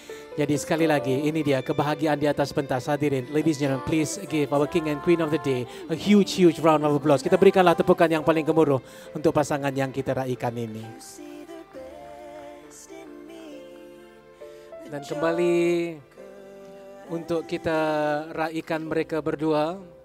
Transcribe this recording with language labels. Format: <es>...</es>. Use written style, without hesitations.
<ms>Jadi sekali lagi, ini dia kebahagiaan di atas pentas, hadirin.</ms> <en>Ladies and gentlemen, please give our king and queen of the day a huge, huge round of applause.</en> <ms>Kita berikanlah tepukan yang paling gemuruh untuk pasangan yang kita raikan ini. Dan kembali untuk kita raikan mereka berdua.</ms>